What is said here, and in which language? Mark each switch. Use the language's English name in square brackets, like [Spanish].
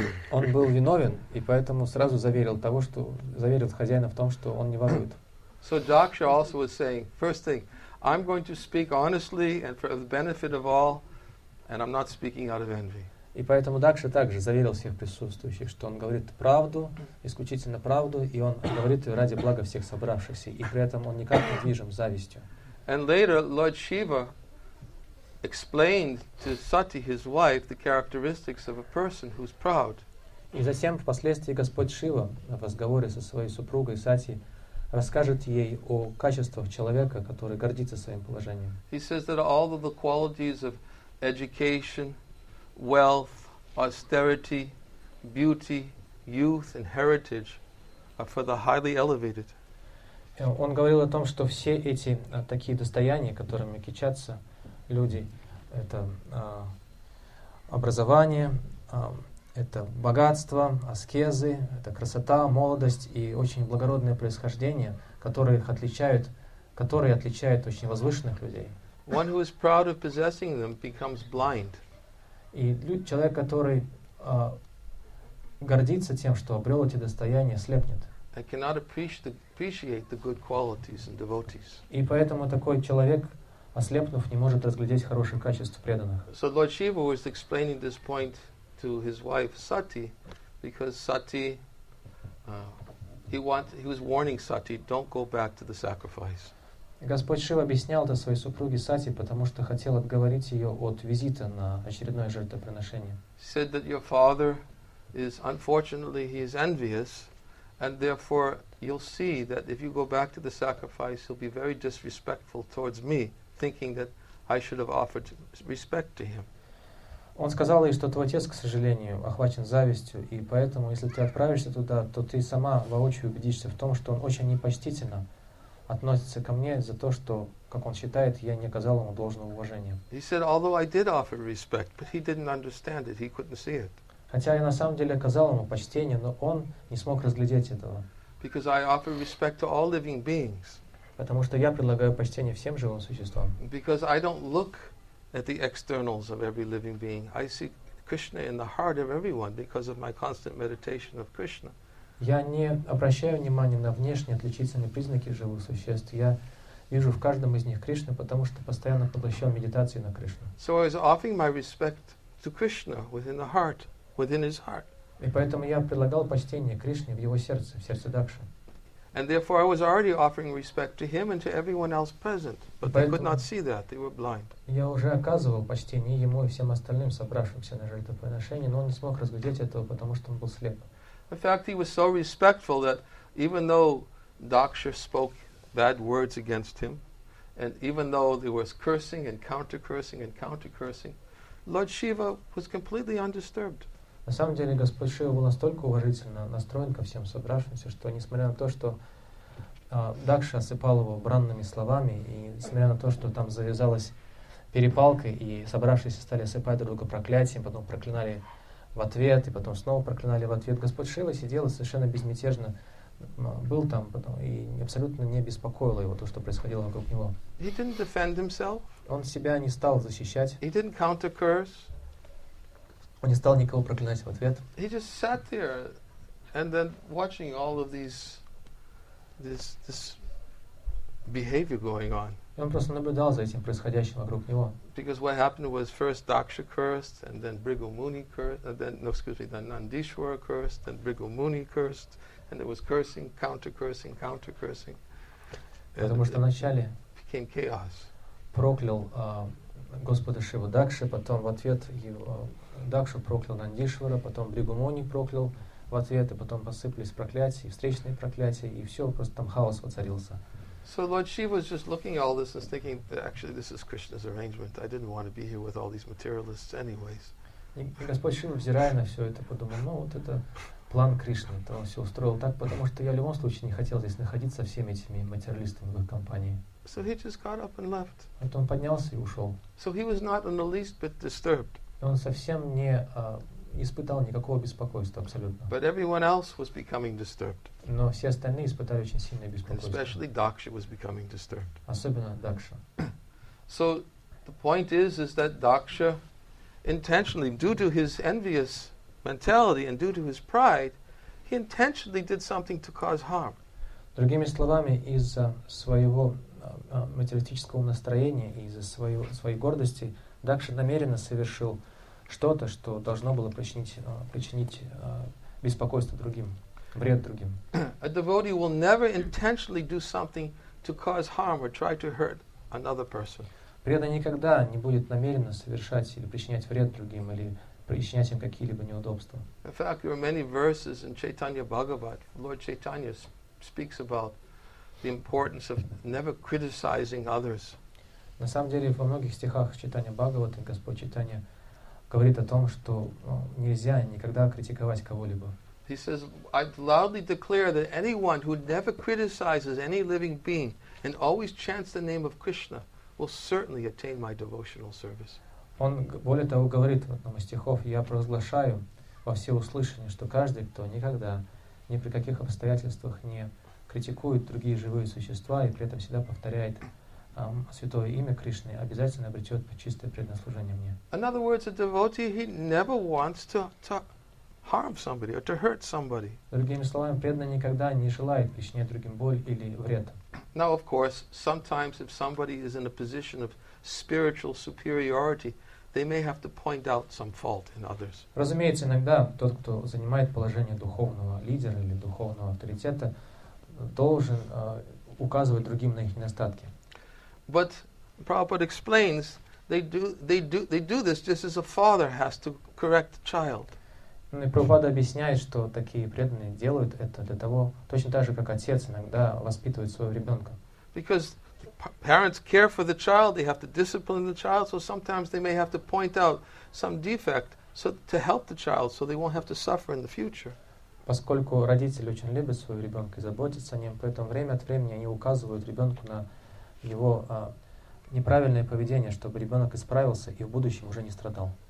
[Russian] Он был виновен, и поэтому сразу заверил хозяина в том, что он не ворует. [English] So Daksha also was saying, first thing, I'm going to speak honestly and for the benefit of all, and I'm not speaking out of envy. [Russian] И поэтому Дакша также заверил всех присутствующих, что он говорит правду, исключительно правду, и он говорит ее ради блага всех собравшихся, и при этом он никак не движим завистью. [English] And later Lord Shiva explained to Sati, his wife, the characteristics of a person who's proud. [Russian] И затем впоследствии Господь Шива в разговоре со своей супругой Сати расскажет ей о качествах человека, который гордится своим положением. [English] He says that all of the qualities of education, wealth, austerity, beauty, youth and heritage are for the highly elevated. [Russian] Он говорил о том, что все эти такие достояния, которыми кичатся люди, это образование, это богатство, аскезы, это красота, молодость и очень благородное происхождение, которые их отличают, которые отличают очень возвышенных людей. [English] One who is proud of possessing them becomes blind. [Russian] И человек, который гордится тем, что обрел эти достояния, слепнет. [English] I cannot appreciate the good qualities in devotees. [Russian] И поэтому такой человек, ослепнув, не может разглядеть хорошие качества преданных. [English] So Lord Shiva was explaining this point to his wife Sati, because Sati, he was warning Sati, don't go back to the sacrifice. [Russian] Господь Шива объяснял это своей супруге Сати, потому что хотел отговорить ее от визита на очередное жертвоприношение. [English] He said that your father is, unfortunately, he is envious. And therefore, you'll see that if you go back to the sacrifice, he'll be very disrespectful towards me, thinking that I should have offered respect to him. [Russian] Он сказал ей, что твой отец, к сожалению, охвачен завистью, и поэтому, если ты отправишься туда, то ты сама воочию убедишься в том, что он очень непочтительно относится ко мне за то, что, как он считает, я не оказал ему должного уважения. [English] He said, although I did offer respect, but he didn't understand it, he couldn't see it. [Russian] Хотя я на самом деле оказал ему почтение, но он не смог разглядеть этого. [English] Because I offer respect to all living beings. [Russian] Потому что я предлагаю почтение всем живым существам. [English] Because I don't look at the externals of every living being. I see Krishna in the heart of everyone because of my constant meditation of Krishna. [Russian] Я не обращаю внимания на внешние отличительные признаки живых существ. Я вижу в каждом из них Кришну, потому что постоянно поглощен медитацией на Кришну. [English] So I was offering my respect to Krishna within the heart. Within his heart. [Russian] И поэтому я предлагал почтение Кришне в его сердце, в сердце Дакши. [English] And therefore I was already offering respect to him and to everyone else present, but they could not see that, they were blind. [Russian] Я уже оказывал почтение ему и всем остальным собравшимся на жертвоприношение, но он не смог разглядеть этого, потому что он был слеп. [English] In fact, he was so respectful that even though Daksha spoke bad words against him, and even though there was cursing and counter-cursing and counter-cursing, Lord Shiva was completely undisturbed. [Russian] На самом деле, Господь Шива был настолько уважительно настроен ко всем собравшимся, что несмотря на то, что Дакша осыпал его бранными словами, и несмотря на то, что там завязалась перепалка, и собравшиеся стали осыпать друг друга проклятием, потом проклинали в ответ, и потом снова проклинали в ответ, Господь Шива сидел совершенно безмятежно, был там потом, и абсолютно не беспокоило его то, что происходило вокруг него. [English] He didn't defend himself. [Russian] Он себя не стал защищать. [English] He didn't counter-curse. [Russian] Он не стал никого проклинать в ответ. [English] He just sat there and then watching all of this behavior going on. [Russian] И он просто наблюдал за этим происходящим вокруг него. [English] Because what happened was first Daksha cursed, and then Bhrigu Muni cursed, and then, then Nandishwara cursed, then Bhrigu Muni cursed, and it was cursing, counter-cursing, counter-cursing. [Russian] Потому что вначале [English] became chaos. [Russian] Проклял Господа Шиву Дакши, потом в ответ Дакшу проклял Нандишвара, потом Бригу Муни проклял в ответ, и потом посыпались проклятия, и встречные проклятия, и все, просто там хаос воцарился. [English] So Lord Shiva was just looking at all this and thinking that actually this is Krishna's arrangement. I didn't want to be here with all these materialists anyways. [Russian] И Господь Шива, взирая на все это, подумал, ну вот это план Кришны, то он все устроил так, потому что я в любом случае не хотел здесь находиться всеми этими материалистами в их компании. [English] So he just got up and left. [Russian] Вот он поднялся и ушел. [English] So he was not in the least bit disturbed. [Russian] И он совсем не испытал никакого беспокойства абсолютно. [English] But everyone else was becoming disturbed. [Russian] Но все остальные испытали очень сильное беспокойство. [English] And especially Daksha was becoming disturbed. [Russian] Особенно Дакша. [English] So the point is that Daksha intentionally, due to his envious mentality and due to his pride, he intentionally did something to cause harm. [Russian] Другими словами, из-за своего материалистического настроения и из-за своей гордости Дакша намеренно совершил что-то, что должно было причинить беспокойство другим, вред другим. [English] A devotee will never intentionally do something to cause harm or try to hurt another person. [Russian] Преданный никогда не будет намеренно совершать или причинять вред другим или причинять им какие-либо неудобства. [English] In fact, there are many verses in Chaitanya Bhagavat. Lord Chaitanya speaks about the importance of never criticizing others. [Russian] На самом деле, во многих стихах Чайтанья Бхагавата, Господь Чайтанья говорит о том, что нельзя никогда критиковать кого-либо. [English] He says, I loudly declare that anyone who never criticizes any living being and always chants the name of Krishna will certainly attain my devotional service. [Russian] Он более того говорит в одном из стихов, я провозглашаю во всеуслышание, что каждый, кто никогда, ни при каких обстоятельствах не критикует другие живые существа и при этом всегда повторяет святое имя Кришны, обязательно обретет чистое преднаслужение мне. [English] In other words, a devotee, he never wants to harm somebody or to hurt somebody. [Russian] Другими словами, преданный никогда не желает причинять другим боль или вред. [English] Now, of course, sometimes if somebody is in a position of spiritual superiority, they may have to point out some fault in others. [Russian] Разумеется, иногда тот, кто занимает положение духовного лидера или духовного авторитета, должен указывать другим на их недостатки. [English] But Prabhupada explains, they do this just as a father has to correct a child. [Russian] Ну, и Прабхупада объясняет, что такие преданные делают это для того, точно так же, как отец иногда воспитывает своего ребенка. [English] Because parents care for the child, they have to discipline the child, so sometimes they may have to point out some defect so to help the child, so they won't have to suffer in the future. [Russian] Поскольку родители очень любят своего ребенка и заботятся о нем, поэтому время от времени они указывают ребенку на его неправильное поведение, чтобы ребенок исправился и в будущем уже не страдал.